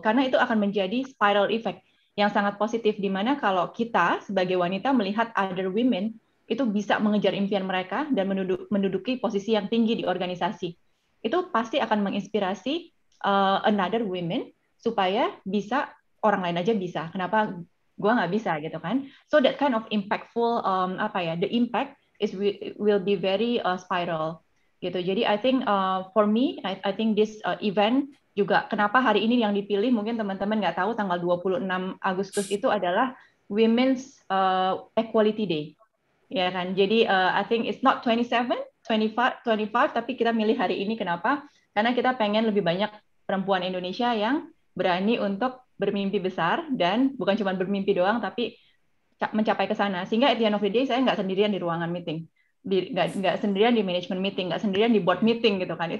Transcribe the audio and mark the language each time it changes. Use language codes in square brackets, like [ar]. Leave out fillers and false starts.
[id] Karena itu akan menjadi spiral effect yang sangat positif, di mana kalau kita sebagai wanita melihat other women itu bisa mengejar impian mereka dan menduduki posisi yang tinggi di organisasi, itu pasti akan menginspirasi another women supaya bisa, orang lain aja bisa, kenapa gua nggak bisa gitu kan. [en] So that kind of impactful, the impact is will be very spiral gitu. [id] Jadi [en] I think for me, I think this event [id] juga, kenapa hari ini yang dipilih, mungkin teman-teman nggak tahu, tanggal 26 Agustus itu adalah Women's Equality Day, ya kan. Jadi [en] I think it's not 25, [id] tapi kita milih hari ini kenapa, karena kita pengen lebih banyak perempuan Indonesia yang berani untuk bermimpi besar, dan bukan cuma bermimpi doang tapi mencapai ke sana, sehingga [en] at the end of the day [id] saya nggak sendirian di ruangan meeting, nggak sendirian di management meeting, nggak sendirian di board meeting gitu kan.